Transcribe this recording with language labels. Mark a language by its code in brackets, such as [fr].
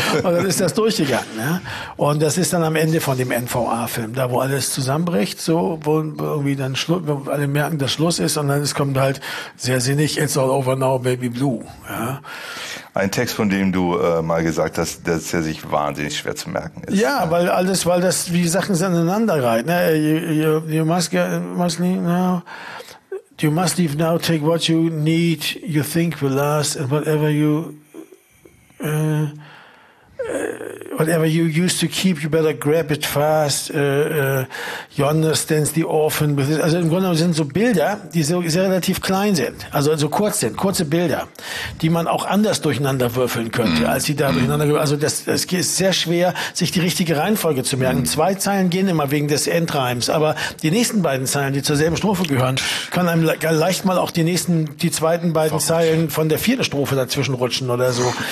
[de] Und dann ist das durchgegangen. Ne? Und das ist dann am Ende von dem NVA-Film, da wo alles zusammenbricht, so wo irgendwie dann Schluss, wo alle merken, dass Schluss ist und dann es kommt halt sehr sinnig, it's all over now, baby blue. Ja. Ein Text, von dem du mal gesagt hast, dass er sich wahnsinnig schwer zu merken ist. Ja, weil alles, weil das wie Sachen aneinander reiht. Ne? [en] You must leave now, take what you need, you think will last, and whatever you whatever you used to keep, you better grab it fast. You understand the orphan. [de] Also im Grunde sind so Bilder, die so sehr relativ klein sind, also so kurz sind, kurze Bilder, die man auch anders durcheinander würfeln könnte, als sie da durcheinander. Also das ist sehr schwer, sich die richtige Reihenfolge zu merken. Mhm. Zwei Zeilen gehen immer wegen des Endreims, aber die nächsten beiden Zeilen, die zur selben Strophe gehören, können einem leicht mal auch die zweiten beiden Zeilen von der vierten Strophe dazwischen rutschen oder so.